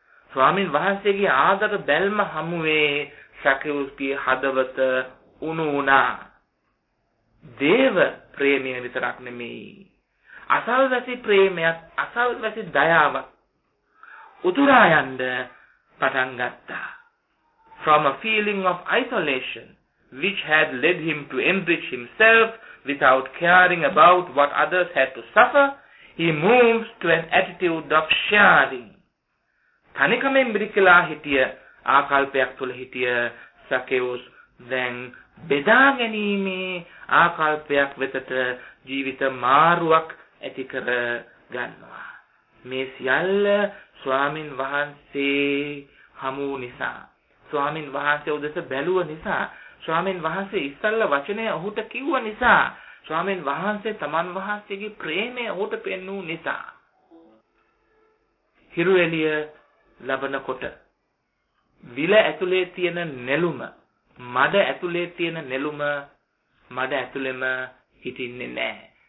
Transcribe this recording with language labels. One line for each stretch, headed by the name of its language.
Sinhala: ස්වාමින් වහන්සේගේ ආදර බැල්ම හමුවේ සකේවුස්ගේ හදවත උණු වුණා. දේව ප්‍රේමය විතරක් නෙමෙයි, අසල්වැසි ප්‍රේමයක්, අසල්වැසි දයාවක් උතුරා යන්න පටන් ගත්තා.
English: From a feeling of isolation, which had led him to enrich himself without caring about what others had to suffer, he moves to an attitude of sharing.
Sinhala: තනිකමෙන් බිරිකලා හිටිය ආකල්පයක් තුළ හිටිය සකේවුස් දැන් බෙදා ගැනීමේ ආකල්පයක් වෙතට ජීවිත මාරුවක් ඇති කර ගන්නවා. මේ සියල්ල ස්වාමින් වහන්සේ හමු නිසා, ස්වාමින් වහන්සේ උදෙස බැලුව නිසා, ස්වාමින් වහන්සේ ඉස්සල්ල වචනය ඔහුට කිව්ව නිසා, ස්වාමින් වහන්සේ තමන් වහන්සේගේ ප්‍රේමය ඔහුට පෙන්වූ නිසා, හිරු එළිය ලබනකොට විල ඇතුලේ තියෙන නෙළුම, මඩ ඇතුලේ තියෙන නෙළුම මඩ ඇතුලෙම හිටින්නේ නැහැ.